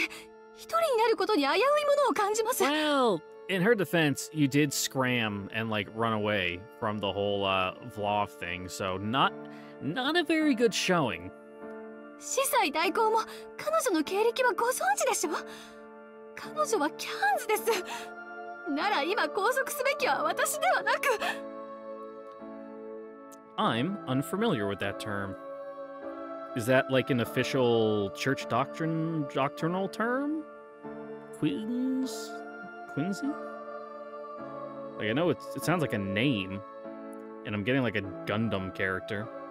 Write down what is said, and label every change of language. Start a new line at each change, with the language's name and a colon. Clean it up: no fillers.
Japanese: ですが、代行者シエルだけには任せておけません。彼女の行動は不審極まります。ロア探索の手を止めているばかりか、私はキリ捨てて一人になることに危ういものを感じます。
English: Well, in her defense, you did scram and like run away from the whole Vlof thing, so not a very good showing.
Japanese: 司祭代行も彼女の経歴はご存知でしょ。彼女はキャンズです。なら今拘束すべきは私ではなく。
English: I'm unfamiliar with that term. Is that like an official church doctrinal term? Quincy? Like, I know it sounds like a name, and I'm getting like a Gundam character.